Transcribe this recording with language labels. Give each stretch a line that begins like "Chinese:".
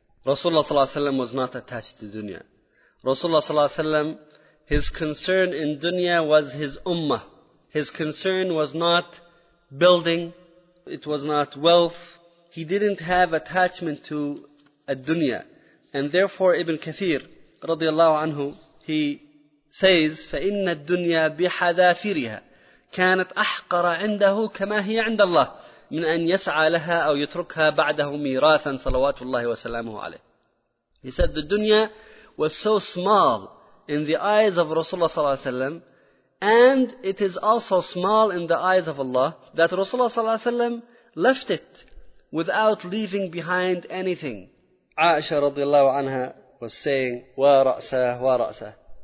English: Rasulullah sallallahu alayhi wa sallam was not attached to dunya. Rasulullah sallallahu alayhi wa sallam, his concern in dunya was his ummah. His concern was not building, it was not wealth. He didn't have attachment to a dunya. And therefore Ibn Kathir radiallahu anhu, he says,
Arabic: فَإِنَّ الدُّنْيَا بِحَذَافِرِهَا كَانَتْ أَحْقَرَ عِنْدَهُ كَمَا هِيَ عِنْدَ اللَّهِ مِنْ أَنْ يَسْعَى لَهَا أَوْ يَتْرُكْهَا بَعْدَهُ مِيرَاثًا صَلَوَاتُ اللَّهِ وَسَلَامُهُ عَلَيْهِ.
English: He said the dunya was so small in the eyes of Rasulullah sallallahu alayhi wa sallam, and it is also small in the eyes of Allah, that Rasulullah sallallahu alayhi wa sallam left it without leaving behind anything. Aisha radiallahu anha was saying, "Wa ra'sa, wa ra'sa.